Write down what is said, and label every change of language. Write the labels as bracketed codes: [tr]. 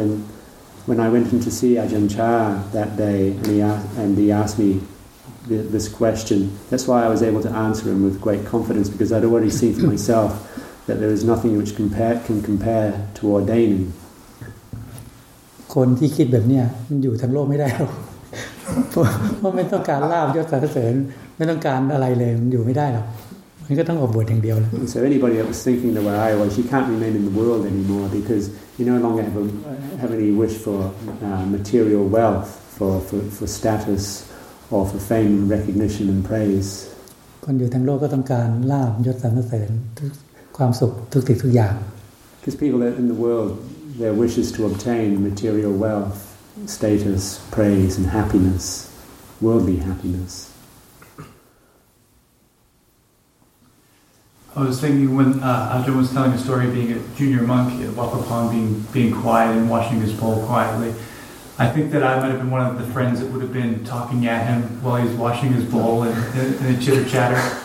[en] Then when I went in to see Ajahn Chah that day and he asked me this question, that's why I was able to answer him with great confidence because I'd already seen for myself that there is nothing which can compare to ordaining. [th] คนที่คิดแบบเนี้ยมันอยู่ทั้งโลกไม่ได้หรอกเพราะไม่ต้องการลาภยศสรรเสริญไม่ต้องการอะไรเลยมันอยู่ไม่ได้หรอกมันก็ต้องออกบวชอย่างเดียวแล้ว [en] So anybody that was thinking the way I was, you can't remain in the world anymore because you no longer have any wish for material wealth, for status, or for fame and recognition and praise. [th] คนอยู่ทั้งโลกก็ต้องการลาภยศสรรเสริญความสุขทุกสิ่งทุกอย่าง [en] Because people in the world, their wish is to obtain material wealthstatus, praise, and happiness, worldly happiness. I was thinking when Ajahn was telling a story of being a junior monk at Wapapong, being quiet and washing his bowl quietly, I think that I might have been one of the friends that would have been talking at him while he's washing his bowl and chitter-chatter.